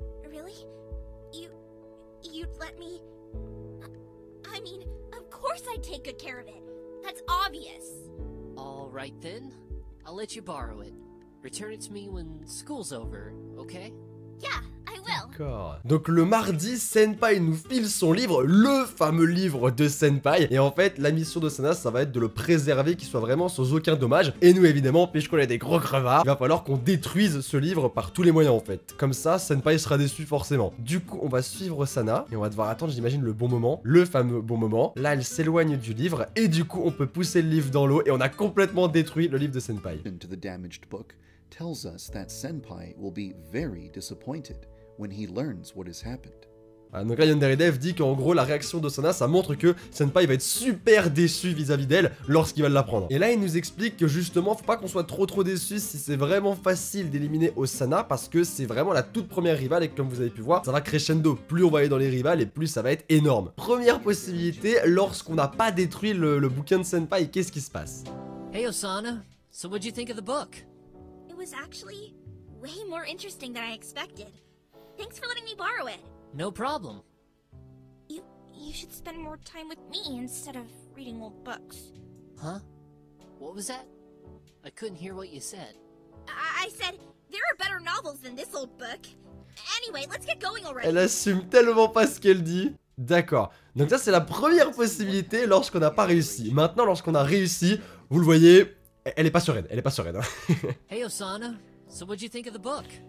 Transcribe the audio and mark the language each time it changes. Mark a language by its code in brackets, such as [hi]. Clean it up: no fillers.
[en] Really? You'd let me? I mean, of course I'd take good care of it. That's obvious. All right then, I'll let you borrow it. Return it to me when school's over, okay? Yeah. D'accord. [fr] Donc le mardi, Senpai nous file son livre, le fameux livre de Senpai. Et en fait, la mission de Sana, ça va être de le préserver, qu'il soit vraiment sans aucun dommage. Et nous, évidemment, puisqu'on est des gros crevards, il va falloir qu'on détruise ce livre par tous les moyens, en fait. Comme ça, Senpai sera déçu, forcément. Du coup, on va suivre Sana, et on va devoir attendre, j'imagine, le bon moment. Le fameux bon moment. Là, elle s'éloigne du livre, et du coup, on peut pousser le livre dans l'eau, et on a complètement détruit le livre de Senpai. [en] Into the damaged book tells us that Senpai will be very disappointed. When he learns what has happened. [fr] Ah, donc là, Yandere Dev dit qu'en gros, la réaction de Sana, ça montre que Senpai va être super déçu vis-à-vis d'elle lorsqu'il va l'apprendre. Et là, il nous explique que justement, faut pas qu'on soit trop déçu si c'est vraiment facile d'éliminer Osana, parce que c'est vraiment la toute première rivale, et comme vous avez pu voir, ça va crescendo. Plus on va aller dans les rivales, et plus ça va être énorme. Première possibilité, lorsqu'on n'a pas détruit le bouquin de Senpai, qu'est-ce qui se passe? [en] Hey Osana, so what did you think of the book? It was actually way more interesting than I expected. Thanks for letting me borrow it. No problem. You should spend more time with me instead of reading old books. Huh? What was that? I couldn't hear what you said. I said, there are better novels than this old book. Anyway, let's get going already. [fr] Elle assume tellement pas ce qu'elle dit. D'accord. Donc ça, c'est la première possibilité lorsqu'on n'a pas réussi. Maintenant, lorsqu'on a réussi, vous le voyez, elle est pas sereine. Elle est pas sereine. [en] Hey Osana, so what'd you think of the book?